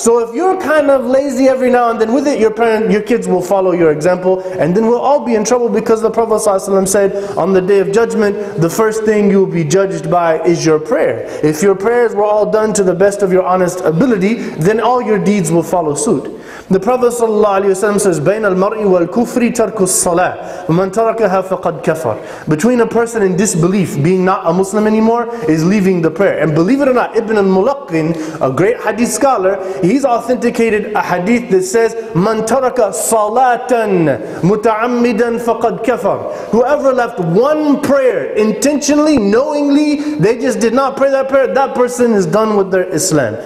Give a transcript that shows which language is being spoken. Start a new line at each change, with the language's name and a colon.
English: So if you're kind of lazy every now and then with it, your kids will follow your example, and then we'll all be in trouble, because the Prophet sallallahu alaihi wasallam said, on the day of judgment, the first thing you'll be judged by is your prayer. If your prayers were all done to the best of your honest ability, then all your deeds will follow suit. The Prophet sallallahu alaihi wasallam says,
Arabic: بَيْنَ الْمَرْءِ وَالْكُفْرِ تَرْكُ الصَّلَاةِ وَمَنْ تَرَكَهَا فَقَدْ كَفَرَ.
English: Between a person in disbelief, being not a Muslim anymore, is leaving the prayer. And believe it or not, Ibn al-Mulaqqin, a great hadith scholar, he's authenticated a hadith that says,
Arabic: مَنْ تَرَكَ صَلَاةً مُتَعَمِّدًا فَقَدْ كَفَرَ.
English: Whoever left one prayer intentionally, knowingly, they just did not pray that prayer, that person is done with their Islam.